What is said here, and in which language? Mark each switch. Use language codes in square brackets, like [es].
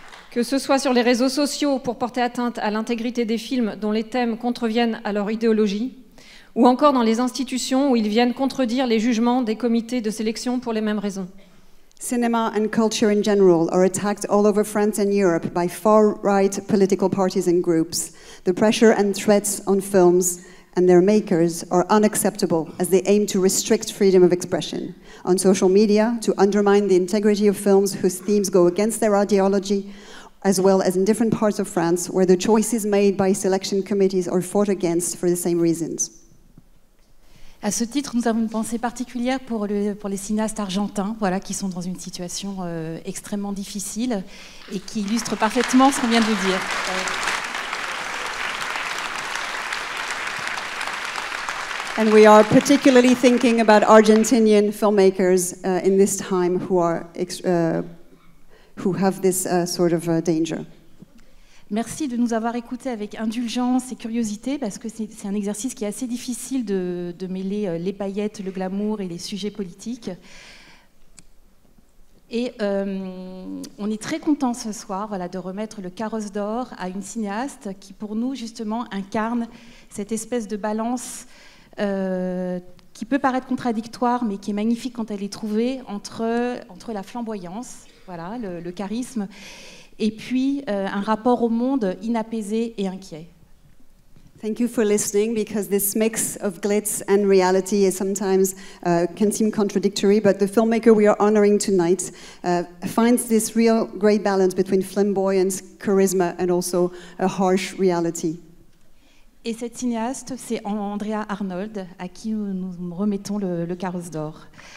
[fr] Que ce soit sur les réseaux sociaux pour porter atteinte à l'intégrité des films dont les thèmes contreviennent à leur idéologie, ou encore dans les institutions où ils viennent contredire les jugements des comités de sélection pour les mêmes raisons. [en] Cinema and culture in general are attacked all over France and Europe by far-right political parties and groups. The pressure and threats on films and their makers are unacceptable as they aim to restrict freedom of expression. On social media, to undermine the integrity of films whose themes go against their ideology, as well as in different parts of France where the choices made by selection committees are fought against for the same reasons. [fr] À ce titre, nous avons une pensée particulière pour les cinéastes argentins, voilà, qui sont dans une situation extrêmement difficile et qui illustre parfaitement ce qu'on vient de dire. [en] And we are particularly thinking about Argentinian filmmakers in this time who are who have this sort of danger. [fr] Merci de nous avoir écoutés avec indulgence et curiosité, parce que c'est un exercice qui est assez difficile de mêler les paillettes, le glamour et les sujets politiques. Et on est très contents ce soir, voilà, de remettre le carrosse d'or à une cinéaste qui, pour nous, justement, incarne cette espèce de balance qui peut paraître contradictoire, mais qui est magnifique quand elle est trouvée, entre la flamboyance, voilà, le charisme, et puis un rapport au monde inapaisé et inquiet. [en] Thank you for listening, because this mix of glitz and reality is sometimes can seem contradictory, but the filmmaker we are honoring tonight finds this real great balance between flamboyance, charisma, and also a harsh reality. [fr] Et cette cinéaste, c'est Andrea Arnold, à qui nous remettons le carrosse d'or.